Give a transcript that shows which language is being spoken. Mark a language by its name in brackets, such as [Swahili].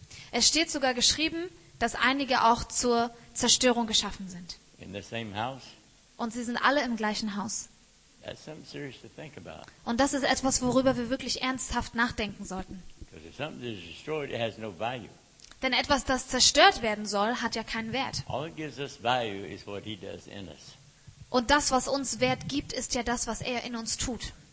[German] Es steht sogar geschrieben, dass einige auch zur Zerstörung geschaffen sind. [English] In the same house? [German] Und sie sind alle im gleichen Haus. [English] That's something serious to think about. [German] Und das ist etwas, worüber wir wirklich ernsthaft nachdenken sollten. [English] Because if something is destroyed, it has no value. [German] Denn etwas, das zerstört werden soll, hat ja keinen Wert. [English] All that gives us value is what he does in us. [German] Und das, was uns Wert gibt, ist ja das, was er in uns tut.